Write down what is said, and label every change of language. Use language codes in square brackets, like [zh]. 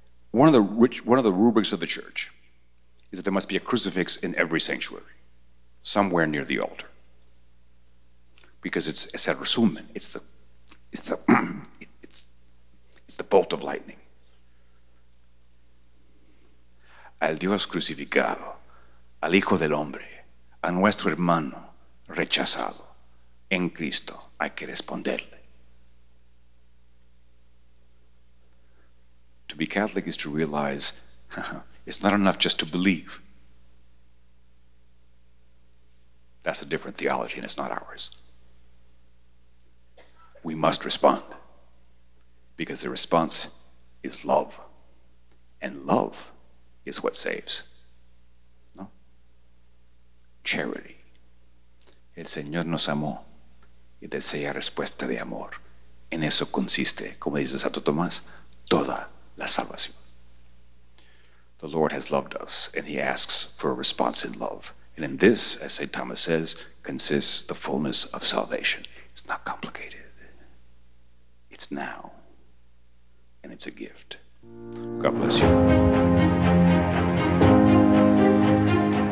[en] One of the rubrics of the church is that there must be a crucifix in every sanctuary, somewhere near the altar. Because it's [es] el resumen, [en] it's the bolt of lightning. [es] Al Dios crucificado, al Hijo del Hombre, a nuestro hermano rechazado en Cristo, hay que responderle. [en] To be Catholic is to realize it's not enough just to believe. That's a different theology and it's not ours. We must respond because the response is love. And love is what saves. Charity. [es] El Señor nos amó y desea respuesta de amor. En eso consiste, como dice Santo Tomás, toda la salvación. [en] The Lord has loved us and he asks for a response in love. And in this, as St. Thomas says, consists the fullness of salvation. It's not complicated. It's now. And it's a gift. God bless you.